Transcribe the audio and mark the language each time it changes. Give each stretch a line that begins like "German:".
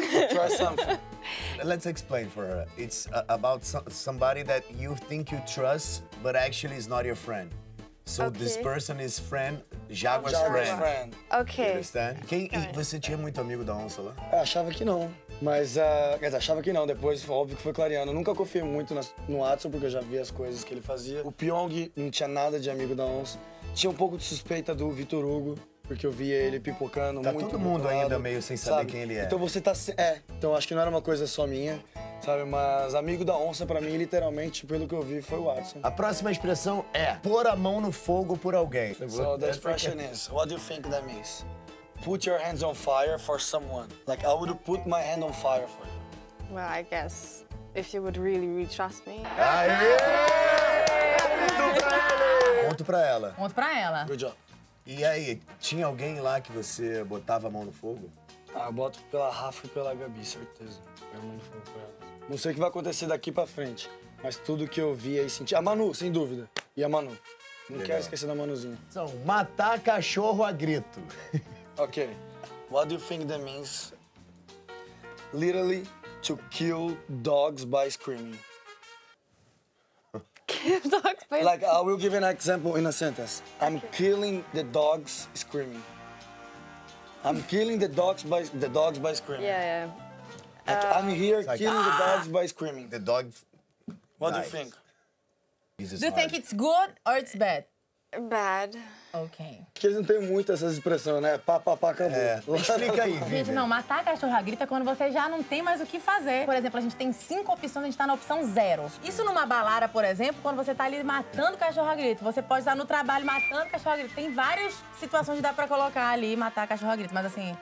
English: Try something. Let's explain for her. It's about somebody that you think you trust, but actually is not your friend. So okay. This person is friend, Jaguar's friend. Friend. Okay. You understand?
Portuguese: Quem, você tinha muito amigo da onça lá? Eu achava que não. Mas, quer dizer, achava que não. Depois, óbvio que foi clareando. Eu nunca confiei muito no Watson, porque eu já vi as coisas que ele fazia. O Pyong não tinha nada de amigo da onça. Tinha um pouco de suspeita do Vitor Hugo, porque eu via ele pipocando tá muito. Tá todo mundo muito ainda meio sem saber, sabe? Quem ele é. Então você tá... É, então acho que não era uma coisa só minha, sabe? Mas amigo da onça, pra mim, literalmente, pelo que eu vi, foi o Watson. A próxima expressão é pôr a mão no fogo por alguém.
English: So, the expression is, what do you think that means? Put your hands on fire for someone. Like, I would put my hand on fire for you. Well, I guess if you would really, really trust me.
Portuguese: Aê! Aê! Conto pra ela! Conto pra ela. Conto pra ela.
English: Good job.
Portuguese: E aí, tinha alguém lá que você botava a mão no fogo? Ah, eu boto pela Rafa e pela Gabi, certeza. Eu mando fogo pra ela. Não sei o que vai acontecer daqui pra frente, mas tudo que eu vi aí senti. A Manu, sem dúvida. E a Manu. Não legal. Quero esquecer da Manuzinha. Então, matar cachorro a grito.
English: Ok, what do you think that means? Literally, to kill dogs by screaming. Kill dogs by like, I will give an example in a sentence. I'm killing the dogs screaming. I'm killing the dogs by screaming. Yeah, yeah. Like, I'm here like, killing the dogs by screaming. The dog. What nice. Do you think? Do you think it's good or it's bad? Bad. Ok.
Portuguese: Porque eles não têm muito essa expressão, né? Pá, pá, pá, acabou. É. Explica aí, Vivi. Gente, não, matar cachorro a grito é quando você já não tem mais o que fazer. Por exemplo, a gente tem 5 opções, a gente tá na opção 0. Isso numa balada, por exemplo, quando você tá ali matando cachorro a grito. Você pode estar no trabalho matando cachorro a grito. Tem várias situações que dá pra colocar ali, matar cachorro a grito, mas assim...